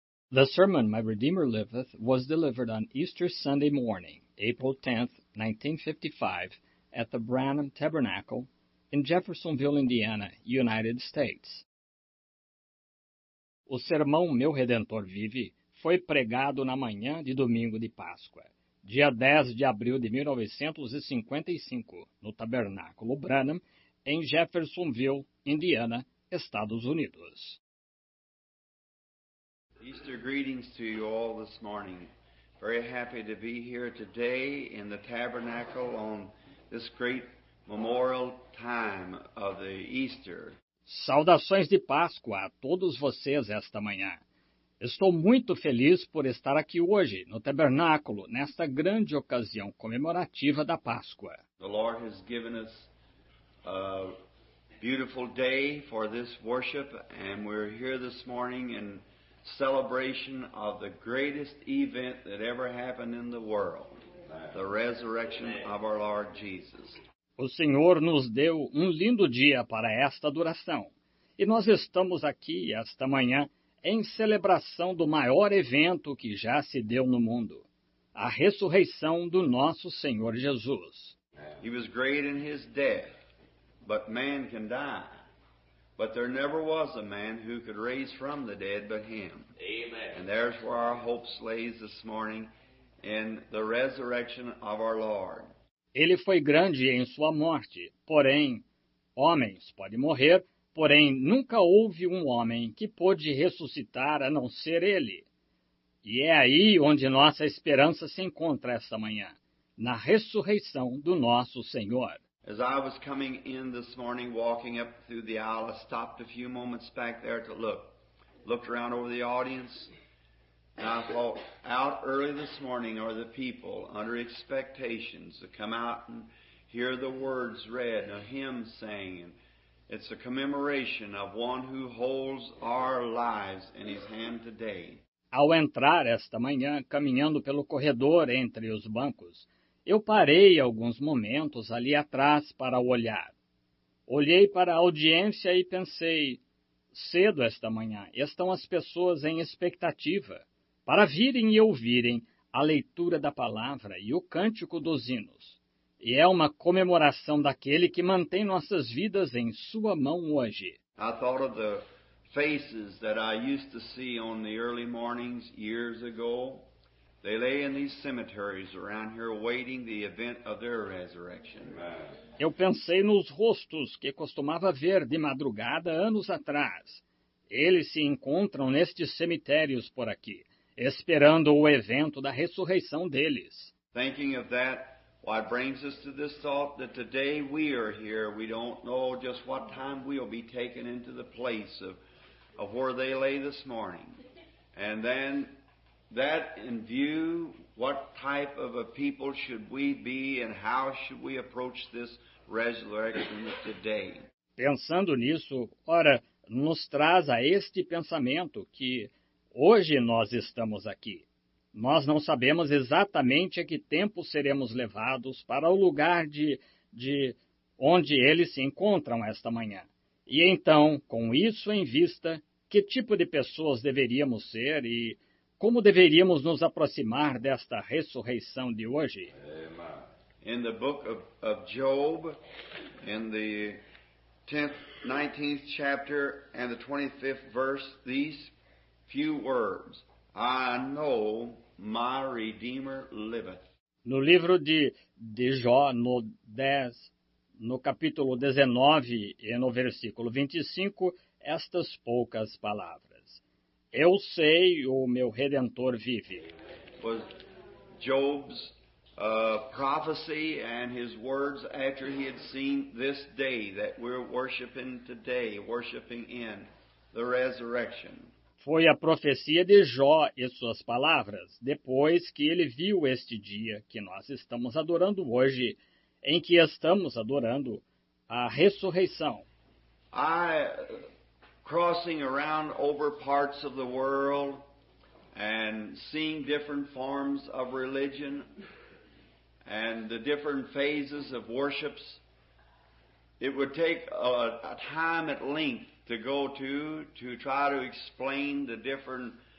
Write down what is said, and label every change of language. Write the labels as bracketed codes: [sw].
[en] The sermon, My Redeemer Liveth, was delivered on Easter Sunday morning, April 10, 1955, at the Branham Tabernacle in Jeffersonville, Indiana, United States. [pt] O sermão Meu Redentor Vive foi pregado na manhã de domingo de Páscoa, dia 10 de abril de 1955, no Tabernáculo Branham, em Jeffersonville, Indiana, Estados Unidos. [en] Easter greetings to you all this morning. Very happy to be here today in the tabernacle on this great memorial time of the Easter. [pt] Saudações de Páscoa a todos vocês esta manhã. Estou muito feliz por estar aqui hoje no tabernáculo nesta grande ocasião comemorativa da Páscoa. [en] The Lord has given us a beautiful day for this worship, and we're here this morning in celebration of the greatest event that ever happened in the world, the resurrection of our Lord Jesus. [pt] O Senhor nos deu um lindo dia para esta adoração, e nós estamos aqui esta manhã em celebração do maior evento que já se deu no mundo, a ressurreição do nosso Senhor Jesus. [en] He was great in his death, but man can die. But there never was a man who could raise from the dead but him. Amen. And there's where our hope lays this morning, in the resurrection of our Lord. [pt] Ele foi grande em sua morte, porém, homens podem morrer, porém, nunca houve um homem que pôde ressuscitar a não ser ele. E é aí onde nossa esperança se encontra esta manhã, na ressurreição do nosso Senhor. [en] As I was coming in this morning, walking up through the aisle, I stopped a few moments back there to look. Looked around over the audience, and I thought, out early this morning are the people under expectations to come out and hear the words read, a hymn sang. It's a commemoration of one who holds our lives in his hand today. [pt] Ao entrar esta manhã, caminhando pelo corredor entre os bancos, eu parei alguns momentos ali atrás para olhar. Olhei para a audiência e pensei, cedo esta manhã, estão as pessoas em expectativa para virem e ouvirem a leitura da palavra e o cântico dos hinos. E é uma comemoração daquele que mantém nossas vidas em sua mão hoje. [en] I thought of the faces that I used to see on the early mornings years ago. They lay in these cemeteries around here waiting the event of their resurrection. [pt] Eu pensei nos rostos que costumava ver de madrugada anos atrás. Eles se encontram nestes cemitérios por aqui, esperando o evento da ressurreição deles. [en] Thinking of that, what brings us to this thought that today we are here, we don't know just what time we'll be taken into the place of where they lay this morning. And then that in view, what type of a people should we be and how should we approach this resurrection today? [pt] Pensando nisso, ora, nos traz a este pensamento que hoje nós estamos aqui. Nós não sabemos exatamente a que tempo seremos levados para o lugar de onde eles se encontram esta manhã. E então, com isso em vista, que tipo de pessoas deveríamos ser e como deveríamos nos aproximar desta ressurreição de hoje? [en] In the book of Job, in the 19th chapter and the 25th verse, these few words, I know my Redeemer liveth. [pt] No livro de Jó, no capítulo 19 e no versículo 25, estas poucas palavras. Eu sei, o meu Redentor vive. [en] Was Job's prophecy and his words after he had seen this day that we're worshiping today, worshiping in the resurrection. [pt] Foi a profecia de Jó e suas palavras, depois que ele viu este dia que nós estamos adorando hoje, em que estamos adorando a ressurreição. [en] Crossing around over parts of the world and seeing different forms of religion and the different phases of worships, it would take a time at length to go to try to explain the different